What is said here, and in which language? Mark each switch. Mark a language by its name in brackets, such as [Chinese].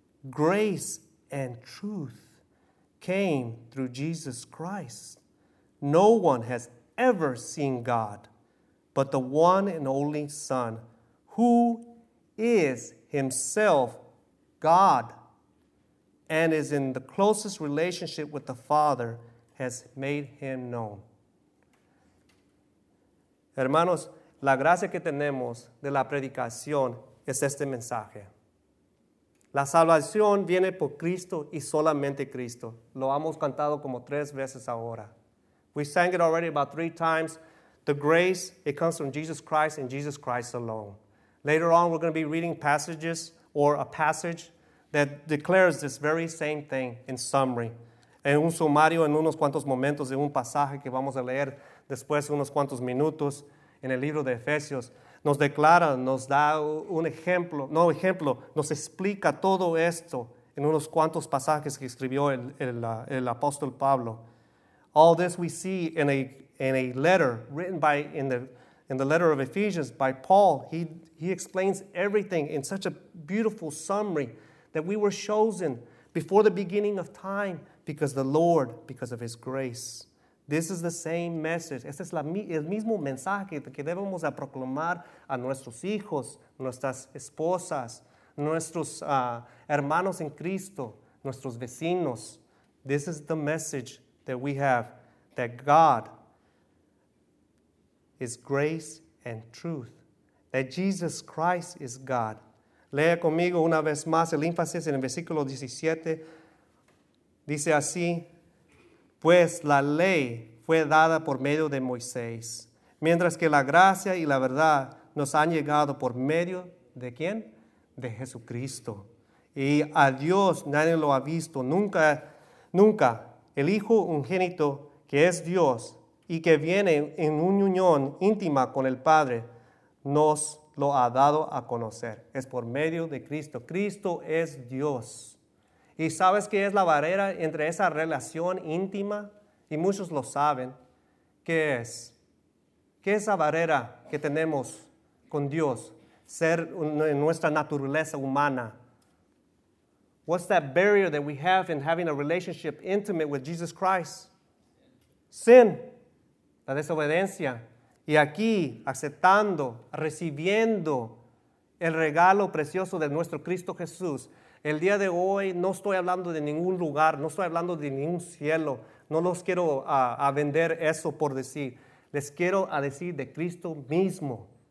[English] Grace and truth came through Jesus Christ. No one has ever seen God. but the one and only Son, who is himself God and is in the closest relationship with the Father, has made him known. [Spanish] Hermanos, la gracia que tenemos de la predicación es este mensaje. La salvación viene por Cristo y solamente Cristo. Lo hemos cantado como tres veces ahora. [English] We sang it already about three times. The grace, it comes from Jesus Christ and Jesus Christ alone. Later on, we're going to be reading passages or a passage that declares this very same thing in summary. [Spanish] En un sumario, en unos cuantos momentos, de un pasaje que vamos a leer después, unos cuantos minutos, en el libro de Efesios, nos declara, nos da un ejemplo, no ejemplo, nos explica todo esto en unos cuantos pasajes que escribió el apóstol Pablo. [English] All this we see in a letter written by, in the letter of Ephesians by Paul. He explains everything in such a beautiful summary that we were chosen before the beginning of time because the Lord, because of his grace. This is the same message. [Spanish] Este es el mismo mensaje que debemos proclamar a nuestros hijos, nuestras esposas, nuestros hermanos en Cristo, nuestros vecinos. [English] This is the message that we have, that God is grace and truth, that Jesus Christ is God. [Spanish] Lea conmigo una vez más el énfasis en el versículo 17. Dice así, pues la ley fue dada por medio de Moisés, mientras que la gracia y la verdad nos han llegado por medio de ¿quién? De Jesucristo. Y a Dios nadie lo ha visto, nunca, nunca. El Hijo Ungénito, que es Dios y que viene en unión íntima con el Padre, nos lo ha dado a conocer. Es por medio de Cristo. Cristo es Dios. ¿Y sabes qué es la barrera entre esa relación íntima? Y muchos lo saben. ¿Qué es? ¿Qué es la barrera que tenemos con Dios? Ser en nuestra naturaleza humana. [English] What's that barrier that we have in having a relationship intimate with Jesus Christ? [Spanish] Sin. La desobediencia. Y aquí, aceptando, recibiendo el regalo precioso de nuestro Cristo Jesús. El día de hoy no estoy hablando de ningún lugar, no estoy hablando de ningún cielo. No los quiero a vender eso por decir. Les quiero a decir de Cristo mismo.